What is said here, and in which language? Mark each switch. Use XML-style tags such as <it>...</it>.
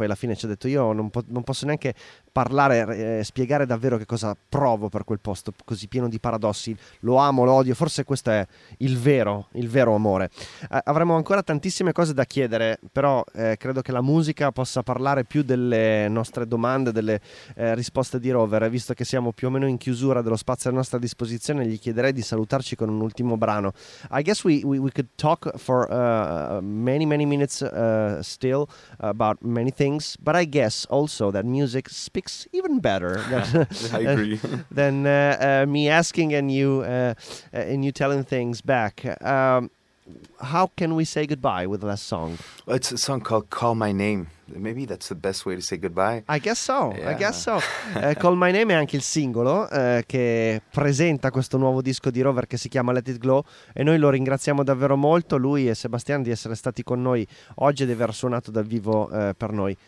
<it>Poi alla fine ci ha detto: io non posso neanche parlare, spiegare davvero che cosa provo per quel posto così pieno di paradossi, lo amo, lo odio, forse questo è il vero amore. Avremo ancora tantissime cose da chiedere, però credo che la musica possa parlare più delle nostre domande, delle risposte di Rover. Visto che siamo più o meno in chiusura dello spazio a nostra disposizione, gli chiederei di salutarci con un ultimo brano.</it> <en>I guess we could talk for many minutes still about many things, but I guess also that music speaks even better than, I agree. Than me asking and you telling things back. How can we say goodbye with the last song? Well, it's a song called Call My Name. Maybe that's the best way to say goodbye. I guess so, yeah. I guess so.</en> <it>Call My Name è anche il singolo che presenta questo nuovo disco di Rover che si chiama Let It Glow, e noi lo ringraziamo davvero molto, lui e Sebastian, di essere stati con noi oggi e di aver suonato dal vivo per noi.</it>